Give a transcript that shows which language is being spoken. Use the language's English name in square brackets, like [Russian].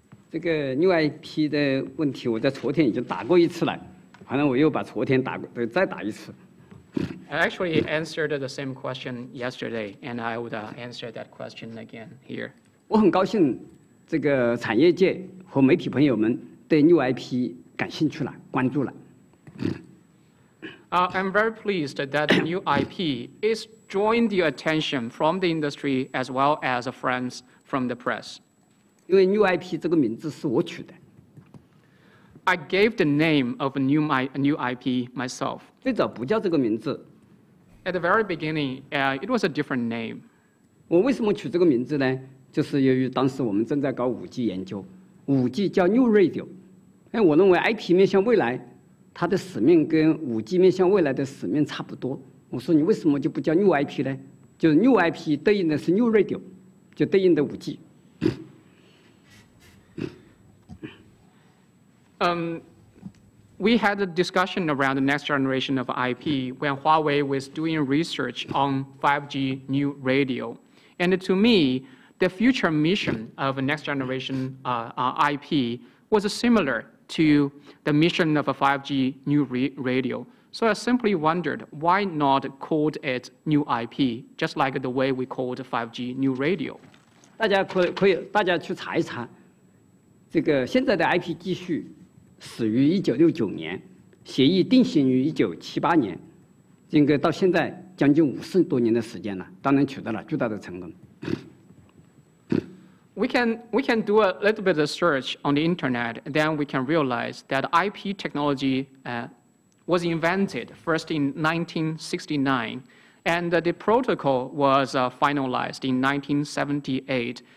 [Chinese] 这个 New IP 的问题，我在昨天已经打过一次了，反正我又把昨天打过，再打一次。 [English] I actually answered the same question yesterday, and I would answer that question again here. [Chinese] 我很高兴，这个产业界和媒体朋友们对 New IP 感兴趣了，关注了。 [English] I'm very pleased that the new IP is drawing the attention from the industry as well as friends from the press. [Chinese] 因为 new IP 这个名字是我取的。 [English] I gave the name of new IP myself. [Chinese] 最早不叫这个名字。 [English] At the very beginning, it was a different name. [Chinese] 我为什么取这个名字呢？就是由于当时我们正在搞 5G 研究 ，5G 叫 New Radio。哎，我认为 IP 面向未来。它的使命跟 5G 面向未来的使命差不多。我说你为什么就不叫 New IP 呢？就是 New IP 对应的是 New Radio， 就对应的 5G。 [English] We had a discussion around the next generation of IP when Huawei was doing research on 5G New Radio. And to me, the future mission of next generation IP was similar. To the mission of a 5G new radio. So I simply wondered why not called it new IP, just like the way we called 5G new radio. [Chinese] 大家可以大家去查一查，这个现在的 IP 技术始于1969年，协议定型于1978年，应该到现在将近50多年的时间了，当然取得了巨大的成功。 [English] We can do a little bit of search on the internet, then we can realize that IP technology was invented first in 1969, and the protocol was finalized in 1978.